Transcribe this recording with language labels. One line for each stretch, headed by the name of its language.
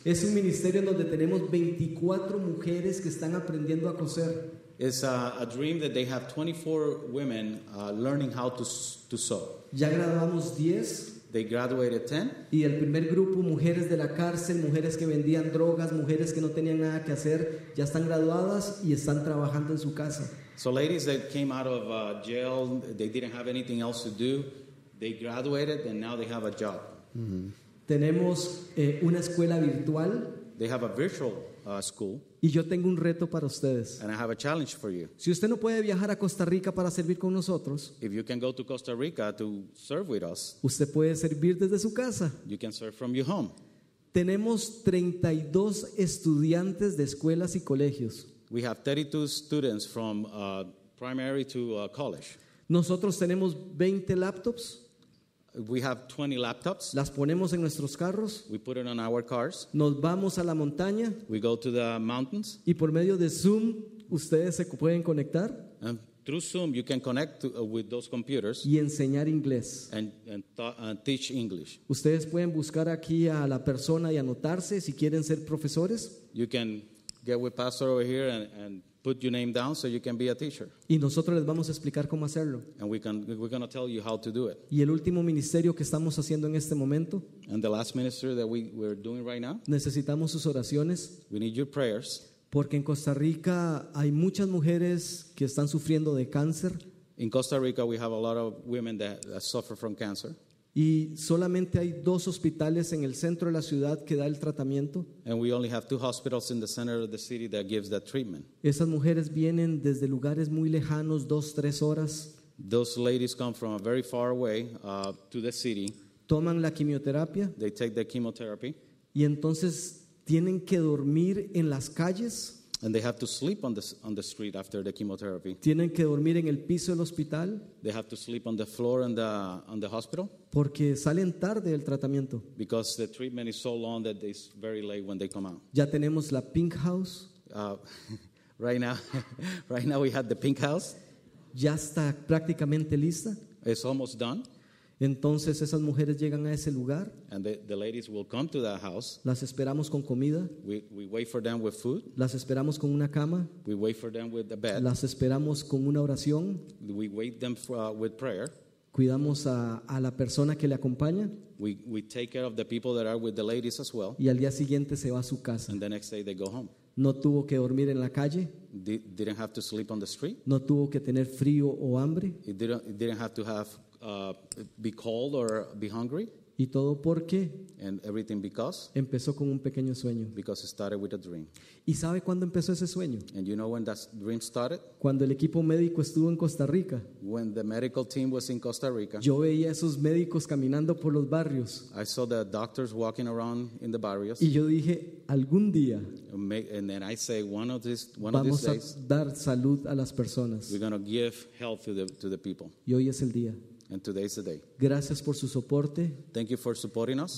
Spanish: Es un ministerio donde tenemos 24 mujeres que están aprendiendo a coser.
English: It's a dream that they have 24 women learning how to sew.
Spanish: Ya graduamos 10.
English: They graduated 10.
Spanish: Y el primer grupo, mujeres de la cárcel, mujeres que vendían drogas, mujeres que no tenían nada que hacer, ya están graduadas y están trabajando en su casa.
English: So ladies that came out of jail, they didn't have anything else to do. They graduated and now they have a job. Mm-hmm.
Spanish: Tenemos una escuela virtual.
English: They have a virtual school.
Spanish: Y yo tengo un reto para ustedes.
English: And I have a challenge for you.
Spanish: Si usted no puede viajar a Costa Rica para servir con nosotros,
English: if you can go to Costa Rica to serve with us,
Spanish: usted puede servir desde su casa.
English: You can serve from your home.
Spanish: Tenemos 32 estudiantes de escuelas y colegios.
English: We have 32 students from primary to college.
Spanish: Nosotros tenemos 20 laptops.
English: We have 20 laptops.
Spanish: Las ponemos en nuestros carros.
English: We put it on our cars.
Spanish: Nos vamos a la montaña.
English: We go to the mountains.
Spanish: Y por medio de Zoom, ustedes se pueden conectar.
English: And through Zoom, you can connect to, with those computers.
Spanish: Y enseñar inglés.
English: And teach English.
Spanish: Ustedes pueden buscar aquí a la persona y anotarse si quieren ser profesores.
English: You can get with pastor over here and put your name down so you can be a teacher.
Spanish: Y nosotros les vamos a explicar cómo hacerlo.
English: And we're going to tell you how to do it.
Spanish: Y el último ministerio que estamos haciendo en este momento.
English: And the last ministry that we're doing right now.
Spanish: Necesitamos sus oraciones.
English: We need your prayers.
Spanish: Porque en Costa Rica hay muchas mujeres que están sufriendo de cáncer.
English: In Costa Rica we have a lot of women that suffer from cancer.
Spanish: Y solamente hay 2 hospitales en el centro de la ciudad que da el tratamiento.
English: And we only have 2 hospitals in the center of the city that gives that treatment.
Spanish: Esas mujeres vienen desde lugares muy lejanos, 2-3 horas.
English: Those ladies come from a very far away to the city.
Spanish: Toman la quimioterapia.
English: They take the chemotherapy.
Spanish: Y entonces tienen que dormir en las calles.
English: And they have to sleep on the street after the chemotherapy.
Spanish: Tienen que dormir en el piso del hospital.
English: They have to sleep on the floor in the hospital.
Spanish: Porque salen tarde del tratamiento.
English: Because the treatment is so long that it's very late when they come out.
Spanish: Ya tenemos la
English: pink house. Right now we have the pink house.
Spanish: Ya está prácticamente lista.
English: It's almost done.
Spanish: Entonces esas mujeres llegan a ese lugar.
English: And the ladies will come to that house.
Spanish: Las esperamos con comida.
English: We wait for them with food.
Spanish: Las esperamos con una cama.
English: We wait for them with a bed.
Spanish: Las esperamos con una oración.
English: We wait them for, with prayer.
Spanish: Cuidamos a la persona que le acompaña.
English: We take care of the people that are with the ladies as well.
Spanish: Y al día siguiente se va a su casa.
English: And the next day they go home.
Spanish: No tuvo que dormir en la calle.
English: Didn't have to sleep on the street.
Spanish: No tuvo que tener frío o hambre.
English: It didn't have to have be cold or be hungry.
Spanish: Y todo porque
English: and everything because
Spanish: empezó con un pequeño sueño.
English: Because it started with a dream.
Spanish: ¿Y sabe cuándo empezó ese sueño?
English: And you know when that dream started?
Spanish: Cuando el equipo médico estuvo en Costa Rica.
English: When the medical team was in Costa Rica.
Spanish: Yo veía esos médicos caminando por los barrios.
English: I saw the doctors walking around in the barrios.
Spanish: Y yo dije, algún día
English: and then I say one of these one
Spanish: vamos
English: of these
Spanish: a
English: days,
Spanish: dar salud a las personas.
English: We're going to give health to the people.
Spanish: Y hoy es el día.
English: And today's the day.
Spanish: Gracias por su soporte.
English: Thank you for supporting us.